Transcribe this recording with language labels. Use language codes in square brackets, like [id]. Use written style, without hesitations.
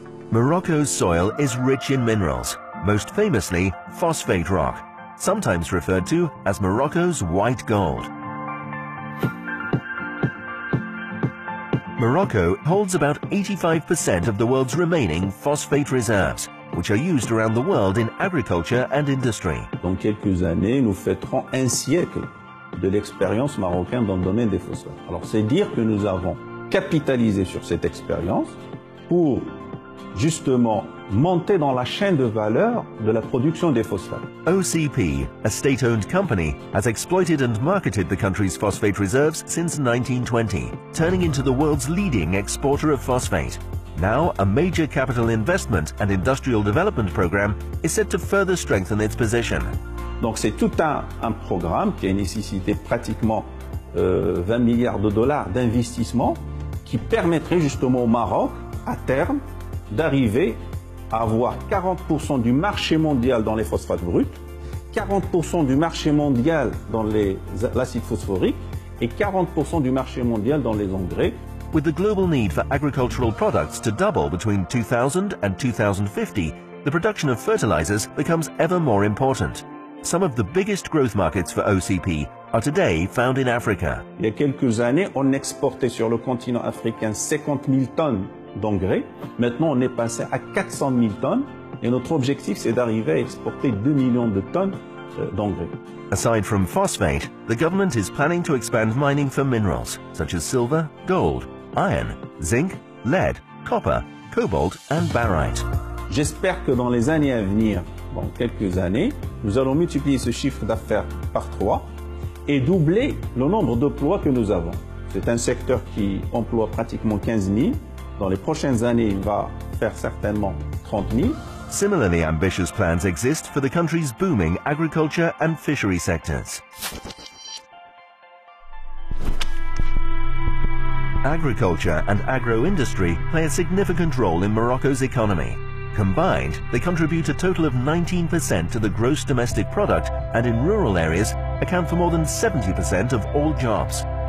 [en] Morocco's soil is rich in minerals, most famously phosphate rock, sometimes referred to as Morocco's white gold. Morocco holds about 85% of the world's remaining phosphate reserves, which are used around the world in agriculture and industry. [fr] Dans quelques années, nous fêterons un siècle de l'expérience marocaine dans le domaine des phosphates. Alors, c'est dire que nous avons capitalisé sur cette expérience pour justement monter dans la chaîne de valeur de la production des phosphates. [en] OCP, a state-owned company, has exploited and marketed the country's phosphate reserves since 1920, turning into the world's leading exporter of phosphate. Now, a major capital investment and industrial development program is set to further strengthen its position. [fr] Donc c'est tout un programme qui a nécessité pratiquement 20 milliards de dollars d'investissement qui permettrait justement au Maroc, à terme, d'arriver à avoir 40% du marché mondial dans les phosphates bruts, 40% du marché mondial dans l'acide phosphorique et 40% du marché mondial dans les engrais. [en] With the global need for agricultural products to double between 2000 and 2050, the production of fertilizers becomes ever more important. Some of the biggest growth markets for OCP are today found in Africa. [fr] Il y a quelques années, on exportait sur le continent africain 50 000 tonnes d'engrais. Maintenant, on est passé à 400 000 tonnes. Et notre objectif, c'est d'arriver à exporter 2 millions de tonnes d'engrais. [en] Aside from phosphate, the government is planning to expand mining for minerals, such as silver, gold, iron, zinc, lead, copper, cobalt and barite. [fr] J'espère que dans les années à venir, dans quelques années, nous allons multiplier ce chiffre d'affaires par 3 et doubler le nombre d'emplois que nous avons. C'est un secteur qui emploie pratiquement 15 000. Dans les prochaines années, il va faire certainement 30 000. [en] Similarly ambitious plans exist for the country's booming agriculture and fishery sectors. Agriculture and agro-industry play a significant role in Morocco's economy. Combined, they contribute a total of 19% to the gross domestic product and in rural areas account for more than 70% of all jobs.